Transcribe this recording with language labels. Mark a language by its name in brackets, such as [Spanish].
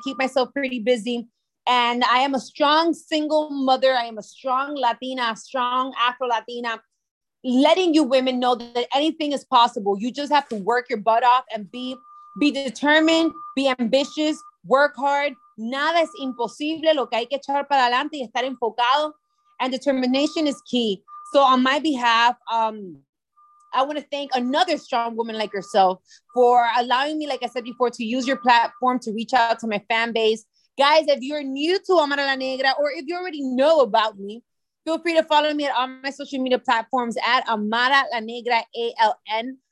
[English] I keep myself pretty busy. And I am a strong single mother. I am a strong Latina, strong Afro-Latina, letting you women know that anything is possible. You just have to work your butt off and be determined, be ambitious, work hard. [Spanish] Nada es imposible, lo que hay que echar para adelante y estar enfocado. [English] And determination is key. So on my behalf, I want to thank another strong woman like yourself for allowing me, like I said before, to use your platform to reach out to my fan base. Guys, if you're new to Amara La Negra, or if you already know about me, feel free to follow me at all my social media platforms at Amara La Negra, A-L-N.